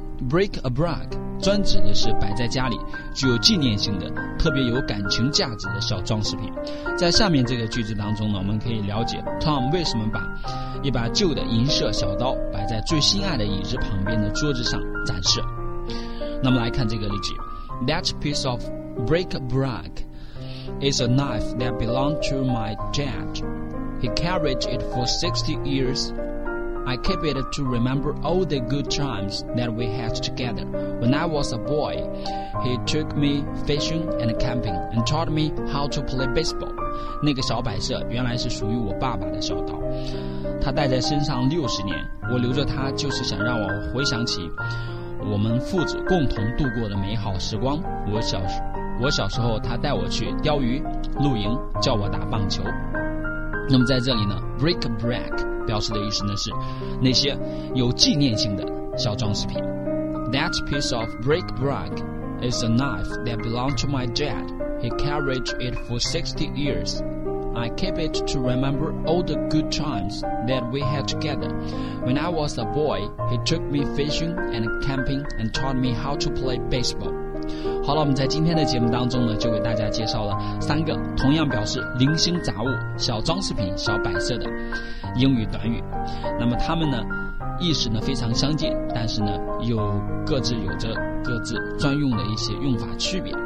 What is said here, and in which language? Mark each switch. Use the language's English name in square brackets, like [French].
[English] Break a brick [Chinese] 专指的是摆在家里具有纪念性的特别有感情价值的小装饰品。在下面这个句子当中呢，我们可以了解 Tom 为什么把一把旧的银色小刀摆在最心爱的椅子旁边的桌子上展示。那么来看这个例句。 [English] That piece of break a brickIs a knife that belonged to my dad. He carried it for 60 years. I keep it to remember all the good times that we had together. When I was a boy, he took me fishing and camping and taught me how to play baseball. [Chinese] 那个小摆设原来是属于我爸爸的小刀，他带在身上60年，我留着它就是想让我回想起我们父子共同度过的美好时光。我小时候他带我去钓鱼露营，叫我打棒球。那么在这里呢 [English] break a brick [Chinese] 表示的意思呢是那些有纪念性的小装饰品。 [English] That piece of break brick is a knife that belonged to my dad. He carried it for 60 years. I keep it to remember all the good times that we had together. When I was a boy, he took me fishing and camping and taught me how to play baseball. [Chinese] 好了，我们在今天的节目当中呢，就给大家介绍了三个同样表示零星杂物、小装饰品、小摆设的英语短语。那么它们呢，意识呢非常相近，但是呢又各自有着各自专用的一些用法区别。